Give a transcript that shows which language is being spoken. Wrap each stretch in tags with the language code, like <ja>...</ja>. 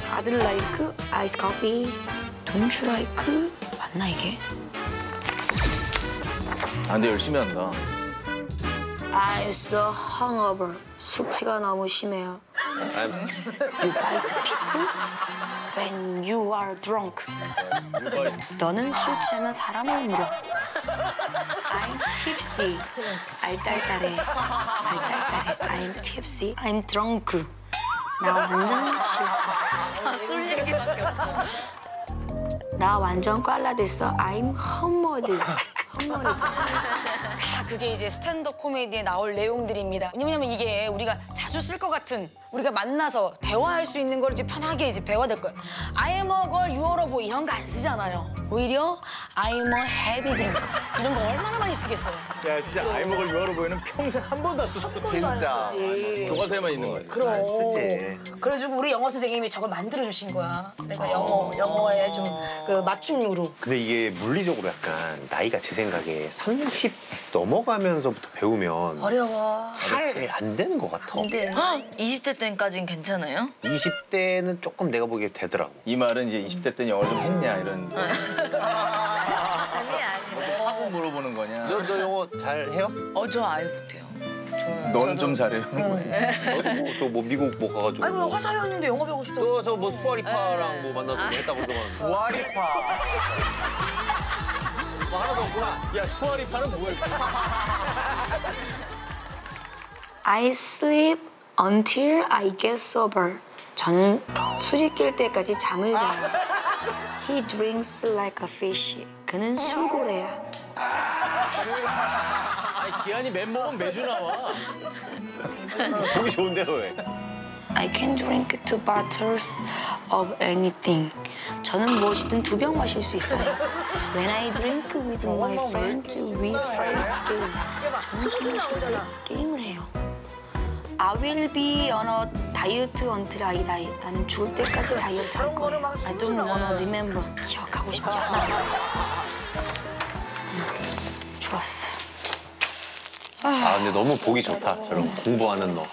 <en>I don't like iced coffee. Don't you like?</en> <ko>맞나 이게? 안 돼, 열심히 한다.</ko> <en>I'm so hungover.</en> <ko>숙취가 너무 심해요.</ko> <en>I'm... You bite people when you are drunk.</en> <ko>너는 술 취하면 사람을 물어.</ko> <en>I'm tipsy.</en> <ko>알딸딸해. 알딸딸해.</ko> <en>I'm tipsy. I'm drunk.</en> <ko>나 완전 취했어. 다 술 얘기밖에 없어. 나 완전 꽐라됐어.</ko> <en>I'm hummered.</en> <ko>다 그게 이제 스탠드업 코미디에 나올 내용들입니다. 왜냐면 이게 우리가 자주 쓸 것 같은 우리가 만나서 대화할 수 있는 걸 이제 편하게 이제 배워야 될 거예요.</ko> <en>I'm a girl, you're a boy</en> <ko>이런 거 안 쓰잖아요. 오히려</ko> <en>I'm a heavy drinker</en> <ko>이런 거 얼마나 많이 쓰겠어요. 야 진짜</ko> <en>I'm a girl, you're a boy</en> <ko>는 평소에 한 번도 안 썼어. 한 번도 진짜. 안 쓰지. 교과서에만 있는 거지. 그럼. 안 쓰지. 그래가지고 우리 영어 선생님이 저걸 만들어주신 거야. 내가 영어에 좀 그 맞춤으로. 근데 이게 물리적으로 약간 나이가 제 생각에 30 넘어가면서부터 배우면 어려워. 잘 안 되는 것 같아. 안 돼. 20대 때까지는 괜찮아요? 20대는 조금 내가 보기에 되더라고. 이 말은 이제 20대 때는 영어를 좀 했냐 이런. 아니. 뭐 하고 물어보는 거냐. 너 영어 잘 해요? 저 아예 못해요. 넌 좀 잘해. 너도 저 미국 뭐 가가지고. 아니 뭐 화사였는데 영어 배우고 싶다. 너 저 뭐 두아리파랑 뭐 만나서 뭐 했다고 그러더만. 두아리파. 뭐 하나 더 없구나. 야 두아리파는 뭐야?</ko> <en>I sleep until I get sober.</en> <ko>저는 술이 깰 때까지 잠을 자요.</ko> <en>He drinks like a fish.</en> <ko>그는 술고래야. 아니, 기한이 맨몸은 매주 나와. 보기 좋은데 왜?</ko> <en>I can drink two bottles of anything.</en> <ko>저는 무엇이든 두 병 마실 수 있어요.</ko> <en>When I drink with my friends, we play a game.</en> <ko>야, 봐. 게임을 해요.</ko> <en>I will be on a diet until I die.</en> <ko>나는 죽을 때까지 다이어트 할 거야.</ko> <en>I don't wanna remember.</en> <ko>기억하고 싶지 않아. 좋았어. 아, 근데 너무 보기 좋다. 저런 공부하는 너.</ko>